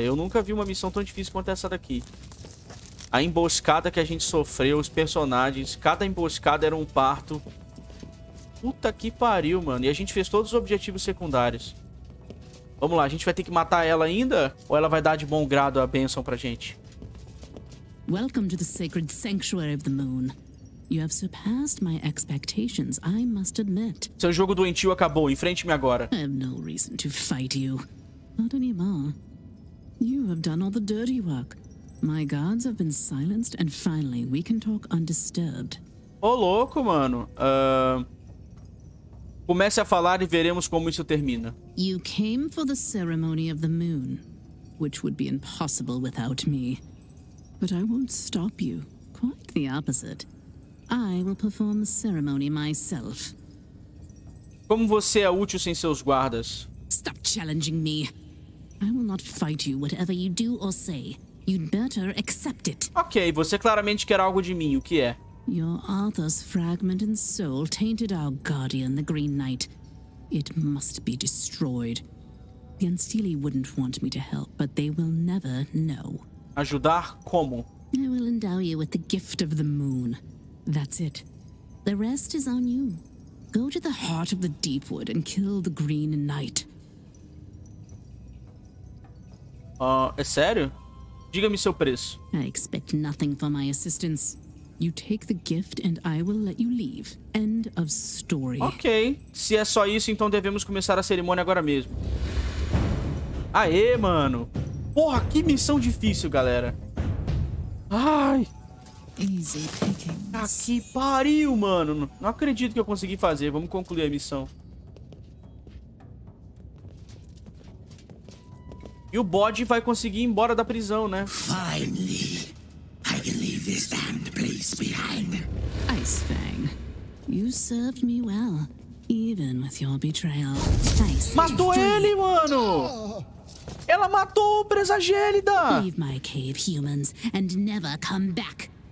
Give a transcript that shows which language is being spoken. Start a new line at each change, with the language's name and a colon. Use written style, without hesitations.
Portuguese: Eu nunca vi uma missão tão difícil quanto essa daqui. A emboscada que a gente sofreu, os personagens, cada emboscada era um parto. Puta que pariu, mano. E a gente fez todos os objetivos secundários. Vamos lá, a gente vai ter que matar ela ainda? Ou ela vai dar de bom grado a bênção pra gente?
English: Welcome to the sacred sanctuary of the moon. You have surpassed my expectations, I must admit.
Portuguese: Seu jogo doentio acabou, enfrente-me agora.
English: I have no reason to fight you. Not anymore. You have done all the dirty work. My guards have been silenced and finally we can talk undisturbed.
Portuguese: Ô, louco, mano. Comece a falar e veremos como isso termina.
English: You came for the ceremony of the moon, which would be impossible without me. But I won't stop you. Quite the opposite. I will perform the ceremony myself.
Portuguese: Como você é útil sem seus guardas?
English: Stop challenging me. I will not fight you, whatever you do or say. You'd better accept it.
Portuguese: Ok, você claramente quer algo de mim, o que é?
English: Your Arthur's fragment and soul tainted our guardian, the Green Knight. It must be destroyed. The Unsteely wouldn't want me to help, but they will never know.
Portuguese: Ajudar como?
English: I will endow you with the gift of the moon. That's it. The rest is on you. Go to the heart of the Deepwood and kill the Green Knight.
Portuguese: É sério? Diga-me seu preço.
English: I expect nothing for my assistance. You take the gift and I will let you leave. End of story. Ok.
Portuguese: Se é só isso, então devemos começar a cerimônia agora mesmo. Aê, mano. Porra, que missão difícil, galera. Ai. Ah, que pariu, mano. Não acredito que eu consegui fazer. Vamos concluir a missão. E o bode vai conseguir ir embora da prisão, né?
English: Finally, I can leave this damned place behind. Ice Fang, you served me well, even with your betrayal.
Portuguese: Matou ele, mano! Ela matou o Presa Gélida!
English: Leave my cave, humans, and never come back.